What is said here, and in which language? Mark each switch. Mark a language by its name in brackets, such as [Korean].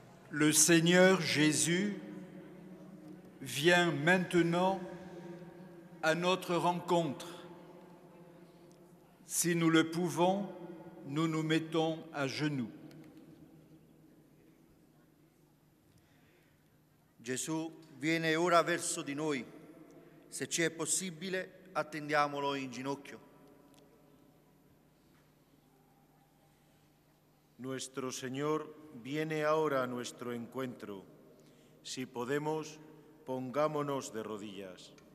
[French] Le Seigneur Jésus vient maintenant à notre rencontre. Si nous le pouvons, nous nous mettons à genoux. [Italian] Jésus viene ora verso di noi. Se ci è possibile, attendiamolo in ginocchio. [Spanish] Nuestro Señor viene ahora a nuestro encuentro. Si podemos, pongámonos de rodillas.